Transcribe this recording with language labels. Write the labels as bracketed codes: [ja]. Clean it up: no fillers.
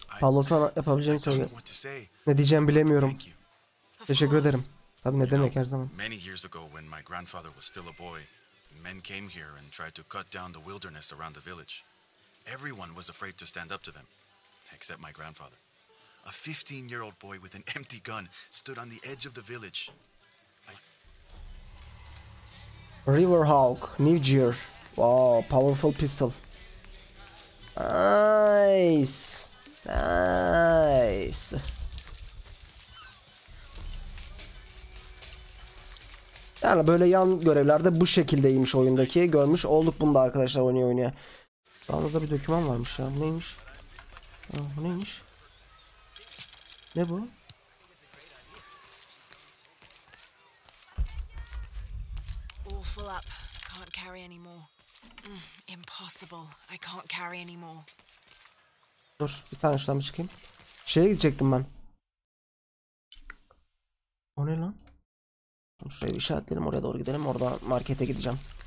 [tr] Pablo sana yapabileceğini söyledi. Ne diyeceğimi bilemiyorum. Teşekkür ederim. Tabii ne demek her zaman. [en] Many years ago when my grandfather was still a boy, men came here and tried to cut down the wilderness around the village. Everyone was afraid to stand up to them, except my grandfather. A 15-year-old boy with an empty gun stood on the edge of the village. River Hawk, New Gear. Wow, powerful pistol. Nice. Nice. [tr] Yani böyle yan görevlerde bu şekildeymiş oyundaki. Görmüş olduk bunu da arkadaşlar oynuyor oynuyor. Yalnız da bir doküman varmış ya. Neymiş? Bu neymiş? Ne bu? [en] Full up. Can't carry anymore. Impossible. I can't carry anymore. [tr] Dur, bir tane şuradan bir çıkayım. Şeye gidecektim ben. O ne lan? Şuraya bir işaretleyelim, oraya doğru gidelim. Orada markete gideceğim.